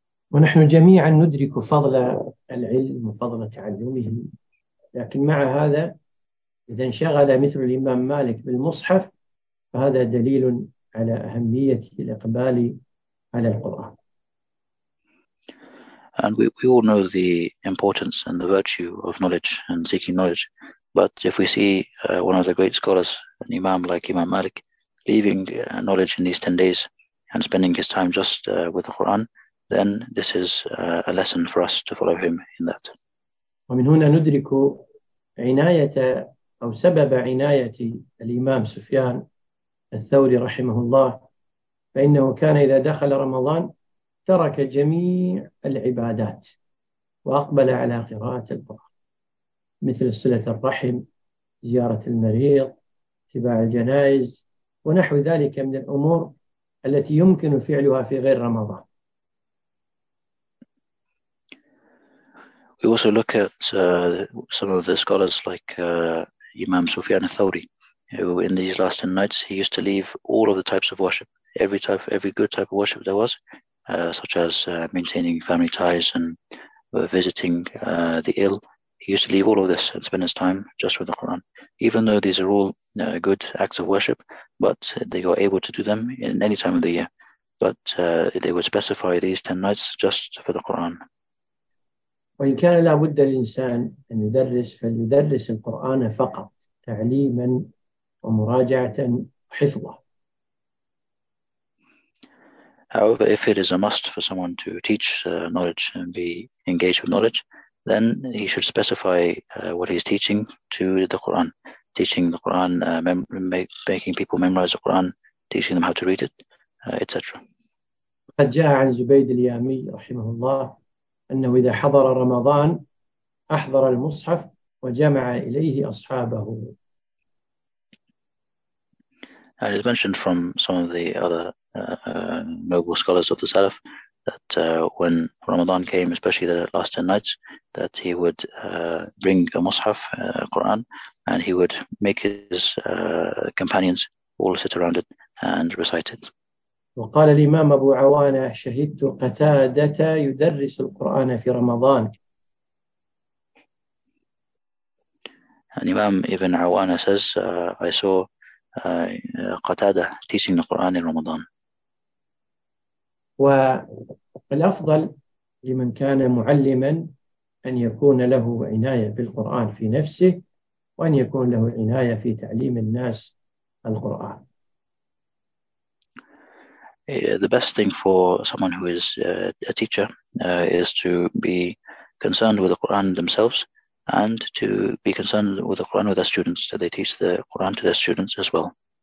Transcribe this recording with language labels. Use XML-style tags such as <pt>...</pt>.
<ar>ونحن جميعا ندرك فضل العلم وفضل تعلمه، لكن مع هذا إذا انشغل مثل الإمام مالك بالمصحف فهذا دليل على أهمية الإقبال على القرآن.</ar> <en>And we all know the importance and the virtue of knowledge and seeking knowledge, but if we see one of the great scholars, an Imam like Imam Malik, leaving knowledge in these 10 days and spending his time just with the Quran, then this is a lesson for us to follow him in that.</en> <ar>ومن هنا ندرك عناية أو سبب عناية الإمام سفيان الثوري رحمه الله، فإنه كان إذا دخل رمضان ترك جميع العبادات وأقبل على قراءة القرآن مثل صلة الرحم، زيارة المريض، اتباع الجنائز ونحو ذلك من الأمور التي يمكن فعلها في غير رمضان.</ar> <en>We also look at some of the scholars like Imam Sufyan al-Thawri, who in these last 10 nights he used to leave all of the types of worship, every good type of worship there was, such as maintaining family ties and visiting the ill. He used to leave all of this and spend his time just with the Quran. Even though these are all good acts of worship, but they were able to do them in any time of the year. But they would specify these 10 nights just for the Quran.</en> <ar>وإن كان لا بد للإنسان أن يدرس فليدرس القرآن فقط تعليما ومراجعة وحفظا.</ar> <en>However, if it is a must for someone to teach knowledge and be engaged with knowledge, then he should specify what he's teaching to the Quran, teaching the Quran, making people memorize the Quran, teaching them how to read it, etc.</en> <ar>قد جاء عن زبيد اليامي رحمه الله أنه إذا حضر رمضان أحضر المصحف وجمع إليه أصحابه.</ar> <en>And it's mentioned from some of the other noble scholars of the Salaf that when Ramadan came, especially the last 10 nights, that he would bring a mushaf, a Quran, and he would make his companions all sit around it and recite it.</en> <ar>وقال الإمام أبو عوانة شهدت قتادة يدرس القرآن في رمضان.</ar> <en>And Imam Ibn Awana says, I saw Qatada teaching the Quran in Ramadan.</en> <ar>والأفضل لمن كان معلما أن يكون له عناية بالقرآن في نفسه وأن يكون له عناية في تعليم الناس القرآن.</ar> <en>The best thing for someone who is a teacher is to be concerned with the Quran themselves and to be concerned with the Quran with their students, that they teach the Quran to their students as well.</en>